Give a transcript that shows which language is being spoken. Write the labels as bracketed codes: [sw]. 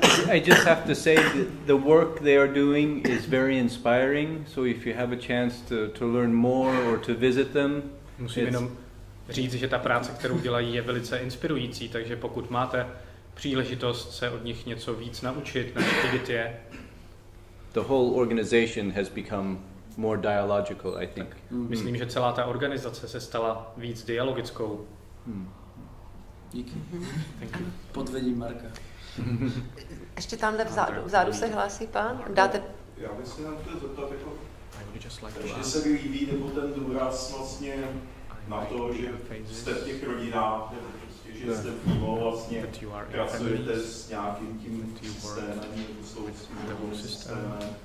[en] I just have to say the work they are doing is very inspiring, so if you have a chance to learn more or to visit them. [cs] Musím jenom říct, že ta práce, kterou dělají, je velice inspirující, takže pokud máte příležitost se od nich něco víc naučit, na aktivitě. [en] The whole organization has become more dialogical, I think. [cs] Myslím, že celá ta organizace se stala víc dialogickou. Díky. Podvedím Marka. Ještě tamhle vzadu se hlásí pán. Dáte... Já bych si nám chtěl zeptat, jako, že se mi líbí nebo ten důraz vlastně na to, že jste v těch rodinách, že jste v ní vlastně pracujete s nějakým tím systémem, nebo s tou systémem.